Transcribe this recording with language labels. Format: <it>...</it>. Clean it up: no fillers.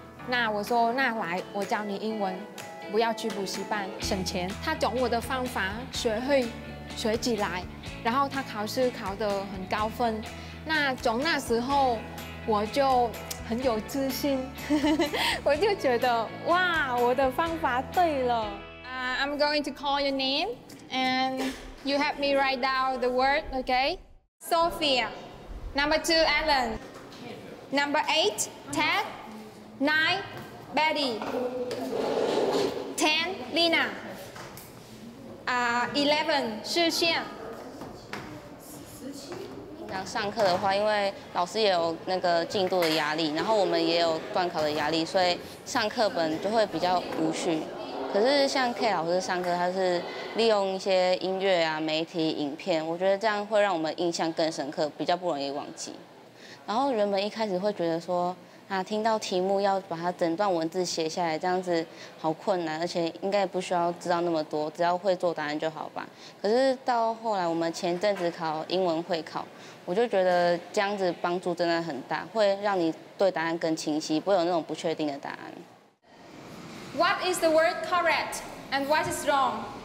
<zh>那我说，那来我教你英文，不要去补习班省钱。他懂我的方法，学会学起来，然后他考试考得很高分。那从那时候我就很有自信，我就觉得哇，我的方法对了。</zh> <en>I'm going to call your name and you help me write down the word, okay? Sophia. Number two, Alan. Number eight, Ted. 9, Betty. 10, Lina. 11, 世宪。</en> <zh>那上课的话，因为老师也有那个进度的压力，然后我们也有断考的压力，所以上课本就会比较无序。可是像 K 老师上课，他是利用一些音乐啊、媒体、影片，我觉得这样会让我们印象更深刻，比较不容易忘记。然后原本一开始会觉得说，啊，听到题目要把它整段文字写下来，这样子好困难，而且应该不需要知道那么多，只要会做答案就好吧。可是到后来，我们前阵子考英文会考，我就觉得这样子帮助真的很大，会让你对答案更清晰，不会有那种不确定的答案。</zh> <en>What is the word correct and what is wrong?</en>